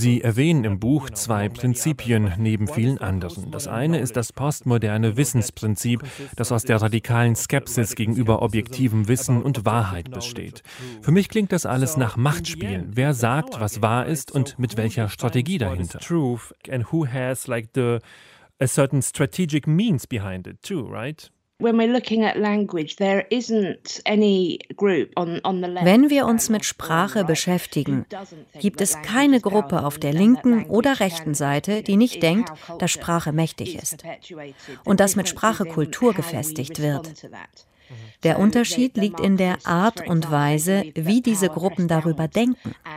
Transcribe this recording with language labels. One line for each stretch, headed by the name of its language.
German: Sie erwähnen im Buch zwei Prinzipien neben vielen anderen. Das eine ist das postmoderne Wissensprinzip, das aus der radikalen Skepsis gegenüber objektivem Wissen und Wahrheit besteht. Für mich klingt das alles nach Machtspielen. Wer sagt, was wahr ist und mit welcher Strategie dahinter?
English: Truth and who has like the a certain strategic means behind it too, right? When we're looking at language, there isn't any group on the left.
German: Wenn wir uns mit Sprache beschäftigen, gibt es keine Gruppe auf der linken oder rechten Seite, die nicht denkt, dass Sprache mächtig ist und dass mit Sprache Kultur gefestigt wird. Der Unterschied liegt in der Art und Weise, wie diese Gruppen darüber denken.